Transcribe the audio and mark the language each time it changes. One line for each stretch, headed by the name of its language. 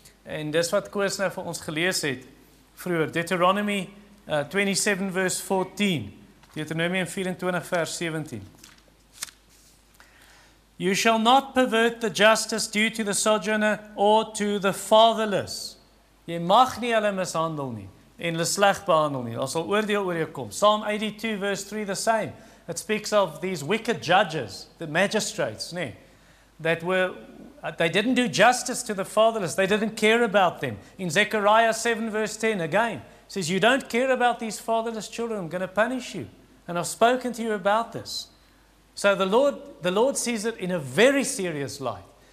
Afrikaans: En dis wat Koos nou vir ons gelees het vroeger.
English: Deuteronomy 27 verse 14. Deuteronomy 24 verse 17. You shall not pervert the justice due to the sojourner or to the fatherless.
Afrikaans: Jy mag nie hulle mishandel nie en hulle sleg behandel nie. Daar sal oordeel oor jou kom.
English: Psalm 82 verse 3 the same. It speaks of these wicked judges, the magistrates, nee, that were, they didn't do justice to the fatherless. They didn't care about them. In Zechariah 7 verse 10 again, it says, you don't care about these fatherless children. I'm going to punish you. And I've spoken to you about this. So the Lord sees it in a very serious light.